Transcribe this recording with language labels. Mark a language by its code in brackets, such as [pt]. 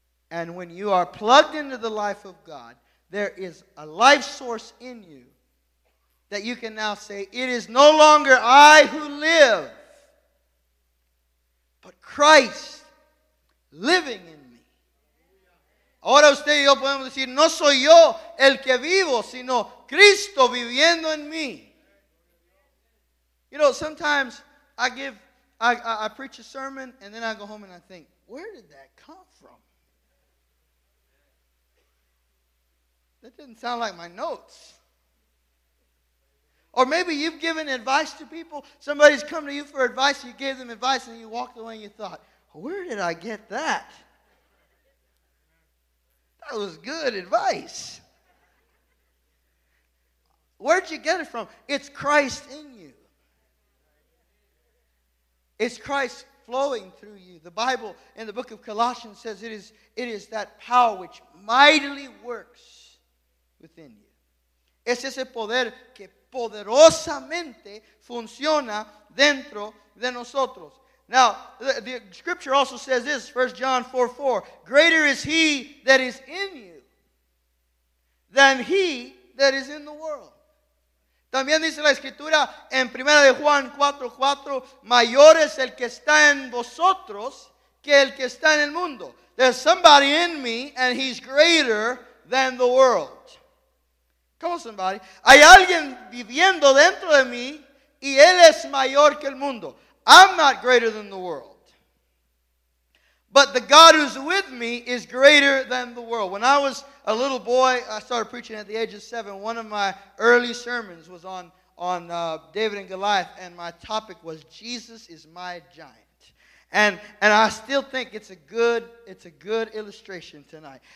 [en] And when you are plugged into the life of God, there is a life source in you that you can now say, it is no longer I who live, but Christ living in me. [es] Ahora usted y yo podemos decir, no soy yo el que vivo, sino Cristo viviendo en mí. [en] You know, sometimes I preach a sermon and then I go home and I think, where did that come from? That didn't sound like my notes. Or maybe you've given advice to people. Somebody's come to you for advice. You gave them advice and you walked away and you thought, where did I get that? That was good advice. Where'd you get it from? It's Christ in you. It's Christ flowing through you. The Bible in the book of Colossians says it is that power which mightily works within you. [es] Es ese poder que poderosamente funciona dentro de nosotros. [en] Now, the scripture also says this, 1 John 4:4, greater is he that is in you than he that is in the world. [es] También dice la Escritura en 1 Juan 4, 4, mayor es el que está en vosotros que el que está en el mundo. [en] There's somebody in me and he's greater than the world. Come on, somebody. [es] Hay alguien viviendo dentro de mí y él es mayor que el mundo. [en] I'm not greater than the world. But the God who's with me is greater than the world. When I was a little boy, I started preaching at the age of 7. One of my early sermons was on David and Goliath, and my topic was Jesus is my giant. And I still think it's a good illustration tonight.